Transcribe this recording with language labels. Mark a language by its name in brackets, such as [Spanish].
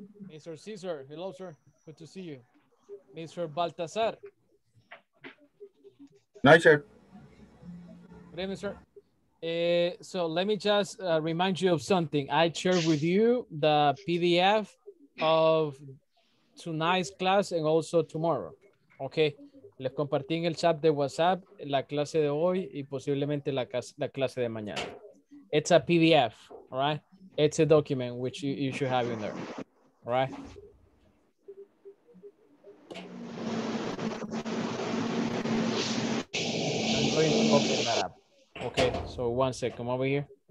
[English] Mr. Caesar, hello, sir. Good to see you. Mr. Baltazar. Night, sir. Good evening, sir. So let me just remind you of something. I shared with you the PDF of tonight's class and also tomorrow. Okay. [Spanish] Les compartí en el chat de WhatsApp la clase de hoy y posiblemente la clase de mañana. [English] It's a PDF, all right? It's a document which you should have in there. Right. I'm going to open that up. Okay, so one sec, come over here.